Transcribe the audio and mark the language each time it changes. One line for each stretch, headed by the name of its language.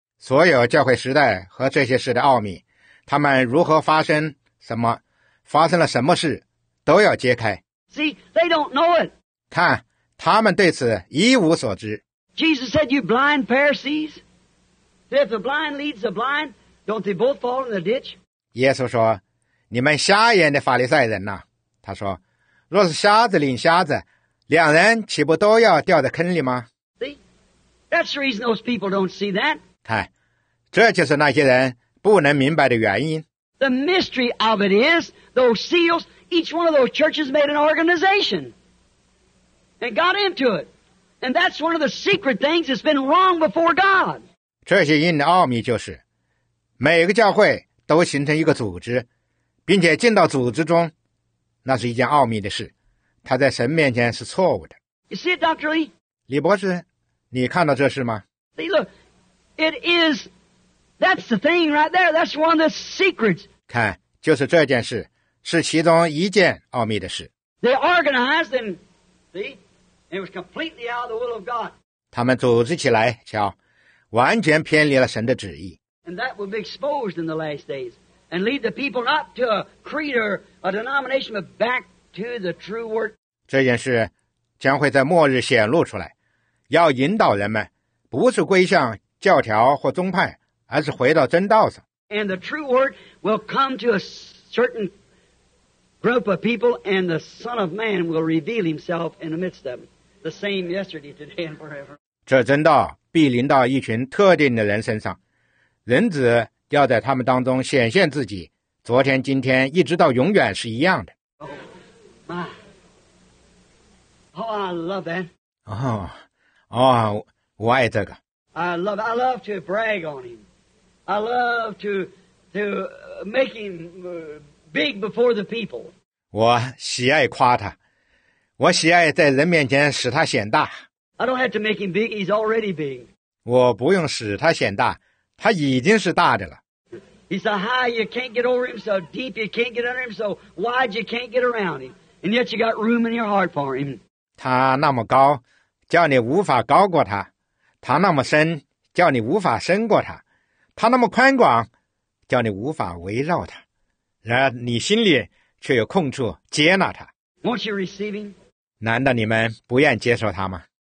Chinese: 所有教会时代和这些事的奥秘，他们如何发生，什么发生了什么事，都要揭开。
English: See, they don't know it.
Chinese: 看，他们对此一无所知。
English: Jesus said, you blind Pharisees, if the blind leads the blind, don't they both fall in the ditch?
Chinese: 耶稣说，你们瞎眼的法利赛人啊，他说，若是瞎子领瞎子，两人岂不都要掉在坑里吗？
English: See, that's the reason those people don't see that.
Chinese: 看，这就是那些人不能明白的原因。
English: The mystery of it is, those seals, each one of those churches made an organization and got into it. And that's one of the secret things that's been wrong before God.
Chinese: 这些印的奥秘就是，每个教会都形成一个组织，并且进到组织中，那是一件奥秘的事，它在神面前是错误的。
English: You see it, Dr. Lee?
Chinese: 李博士，你看到这事吗？
English: See, look, it is, that's the thing right there, that's one of the secrets.
Chinese: 看，就是这件事，是其中一件奥秘的事。
English: They organized and, see? It was completely out of the will of God.
Chinese: 他们组织起来，瞧，完全偏离了神的旨意。
English: And that will be exposed in the last days, and lead the people not to a creed or a denomination, but back to the true word.
Chinese: 这件事将会在末日显露出来，要引导人们不是归向教条或宗派，而是回到真道上。
English: And the true word will come to a certain. Group of people, and the Son of Man will reveal himself in the midst of them, the same yesterday, today, and forever.
Chinese: 这真道必临到一群特定的人身上，人子要在他们当中显现自己，昨天、今天，一直到永远是一样的。
English: Oh, my. Oh, I love that.
Chinese: Oh, 我爱这个。
English: I love to brag on him. I love to make him. Big before the people.
Chinese: 我喜爱夸他，我喜爱在人面前使他显大。
English: I don't have to make him big, he's already big.
Chinese: 我不用使他显大，他已经是大的了。
English: He's so high you can't get over him, so deep you can't get under him, so wide you can't get around him, and yet you got room in your heart for him.
Chinese: 他那么高，叫你无法高过他；他那么深，叫你无法深过他；他那么宽广，叫你无法围绕他。然而你心里却有空处接纳他。
English: Won't you receive him?
Chinese: 难道你们不愿接受他吗？